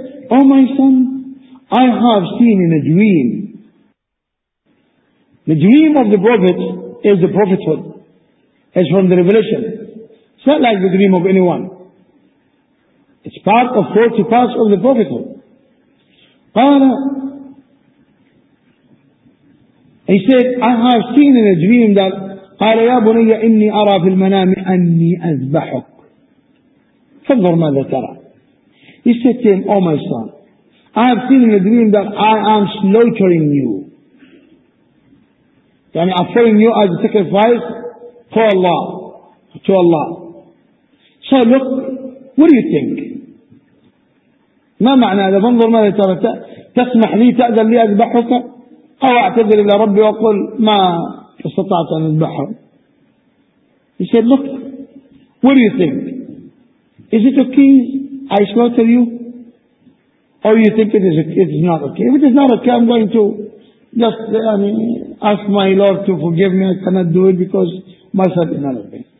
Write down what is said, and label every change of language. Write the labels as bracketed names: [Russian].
[English] Oh my son, I have seen in a dream. The dream of the prophet is the prophethood. It's from the revelation. It's not like the dream of anyone. It's part of 40 parts of the prophethood. [Arabic] قال [English] He said, I have seen in a dream that [Arabic] قال يا بني إني أرى في المنام أني أذبحك. فانظر ماذا ترى. [English] He said to him, Oh my son, I have seen in a dream that I am slaughtering you. يعني offering you as a sacrifice for Allah, to Allah. So look, what do you think? [Arabic] ما معنى هذا؟ فانظر ماذا ترى. تسمح لي تأذن لي أذبحك؟ أو أعتذر إلى ربي وأقول ما استطعت أن أذبحه. [English] He said, look, what do you think? Is it okay I slaughter you? Or you think it is not okay? If it is not okay, I'm going to just ask my Lord to forgive me. I cannot do it because my son is not okay.